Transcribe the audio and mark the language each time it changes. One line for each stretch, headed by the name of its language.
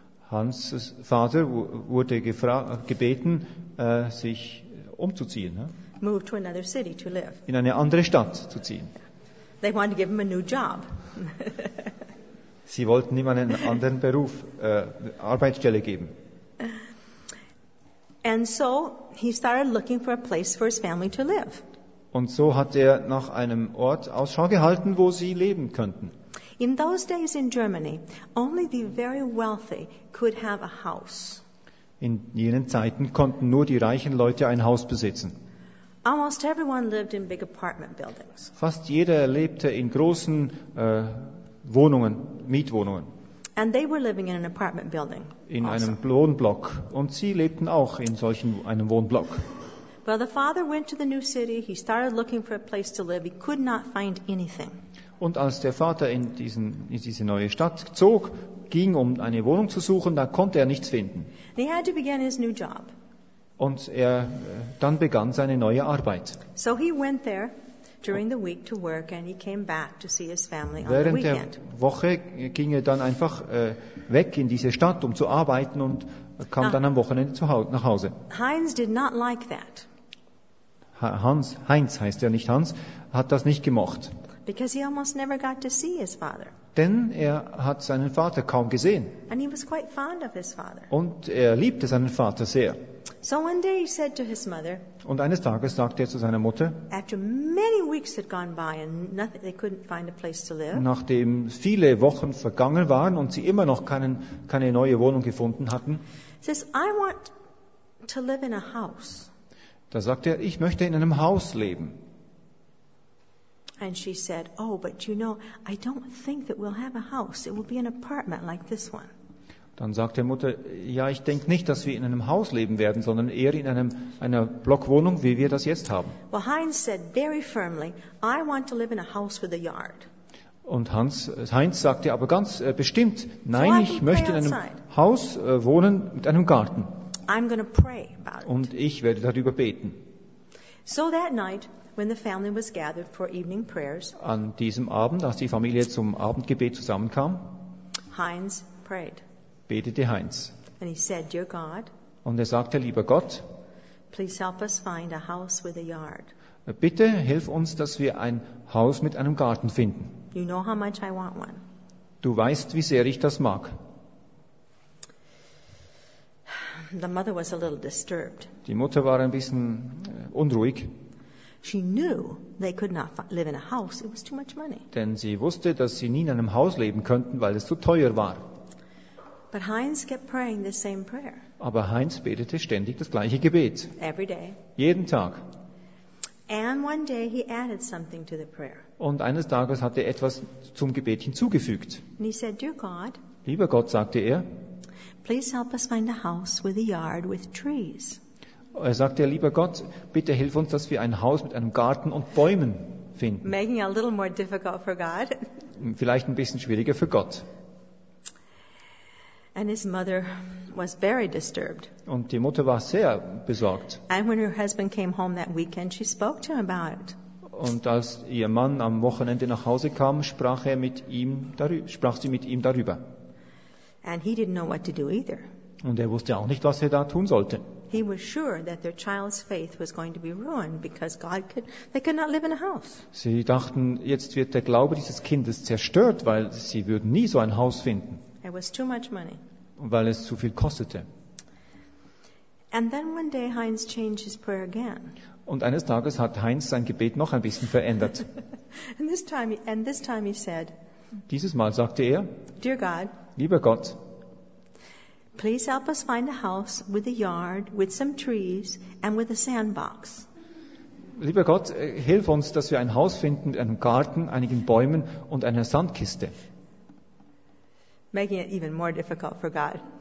German: Hans Vater wurde gebeten, sich umzuziehen.
English: Move to another city to live.
German: In eine andere Stadt zu ziehen.
English: They wanted to give him a new job.
German: Sie wollten ihm einen anderen Beruf, Arbeitsstelle geben.
English: And so he started looking for a place for his family to live.
German: Und so hat er nach einem Ort Ausschau gehalten, wo sie leben könnten.
English: In those days in Germany, only the very wealthy could have a house.
German: In jenen Zeiten konnten nur die reichen Leute ein Haus besitzen.
English: Almost everyone lived in big apartment buildings.
German: Fast jeder lebte in großen Wohnungen, Mietwohnungen.
English: And they were living in an apartment building.
German: In einem Wohnblock. Und sie lebten auch in solchen einem Wohnblock.
English: Well, the father went to the new city. He started looking for a place to live. He could not find anything.
German: Und als der Vater in diese neue Stadt zog, ging, um eine Wohnung zu suchen, da konnte er nichts finden.
English: He had to begin his new job.
German: Und er dann begann seine neue Arbeit.
English: So he went there during the week to work and he came back to see his family on the weekend.
German: Während der Woche ging er dann einfach weg in diese Stadt, um zu arbeiten und kam dann am Wochenende nach Hause.
English: Heinz did not like that.
German: Heinz heißt ja nicht Hans, hat das nicht gemocht.
English: Because he almost never got to see his father.
German: Denn er hat seinen Vater kaum gesehen.
English: And he was quite fond of his father.
German: Und er liebte seinen Vater sehr.
English: So one day he said to his mother.
German: Und eines Tages sagte er zu seiner Mutter.
English: After many weeks had gone by and nothing, they couldn't find a place to live.
German: Nachdem viele Wochen vergangen waren und sie immer noch keine neue Wohnung gefunden hatten.
English: Says, I want to live in a house.
German: Da sagte er, ich möchte in einem Haus leben.
English: And she said, oh, but you know, I don't think that we'll have a house. It will be an apartment like this one.
German: Dann sagte Mutter, ja, ich denke nicht, dass wir in einem Haus leben werden, sondern eher in einer Blockwohnung, wie wir das jetzt haben.
English: Well, Heinz said very firmly, I want to live in a house with a yard.
German: Und Heinz sagte aber ganz bestimmt, nein, ich möchte in einem Haus wohnen mit einem Garten.
English: I'm going to pray about it.
German: Und ich werde darüber beten.
English: So that night, when the family was gathered for evening prayers,
German: an diesem Abend, als die Familie zum Abendgebet zusammenkam,
English: Heinz prayed.
German: Betete Heinz.
English: And he said, "Dear God."
German: Und er sagte, lieber Gott,
English: "Please help us find a house with a yard."
German: Bitte hilf uns, dass wir ein Haus mit einem Garten finden.
English: You know how much I want one.
German: Du weißt, wie sehr ich das mag.
English: The mother was a little disturbed.
German: Die Mutter war ein bisschen unruhig.
English: She knew they could not live in a house. It was too much money.
German: Denn sie wusste, dass sie nie in einem Haus leben könnten, weil es zu teuer war.
English: But Heinz kept praying the same prayer.
German: Aber Heinz betete ständig das gleiche Gebet.
English: Every day.
German: Jeden Tag.
English: And one day he added something to the prayer.
German: Und eines Tages hat er etwas zum Gebet hinzugefügt.
English: And he said, "Dear God."
German: Lieber Gott, sagte er.
English: Please help us find a house with a yard with trees.
German: Er sagte, lieber Gott, bitte hilf uns, dass wir ein Haus mit einem Garten und Bäumen finden.
English: Making it a little more difficult for God.
German: Vielleicht ein bisschen schwieriger für Gott.
English: And his mother was very disturbed.
German: Und die Mutter war sehr besorgt.
English: And when her husband came home that weekend, she spoke to him about it.
German: Und als ihr Mann am Wochenende nach Hause kam, sprach sie mit ihm darüber.
English: And he didn't know what to do either.
German: Und er wusste auch nicht, was er da tun sollte.
English: He was sure that their child's faith was going to be ruined because they could not live in a house.
German: Sie dachten, jetzt wird der Glaube dieses Kindes zerstört, weil sie würden nie so ein Haus finden.
English: It was too much money.
German: Weil es zu viel kostete.
English: And then one day Heinz changed his prayer again.
German: Und eines Tages hat Heinz sein Gebet noch ein bisschen verändert.
English: And this time he said.
German: Dieses Mal sagte er.
English: Dear God.
German: Lieber Gott,
English: please help us find a house with a yard, with some trees, and with a sandbox.
German: Lieber Gott, hilf uns, dass wir ein Haus finden mit einem Garten, einigen Bäumen und einer Sandkiste.
English: Making it even more difficult for God.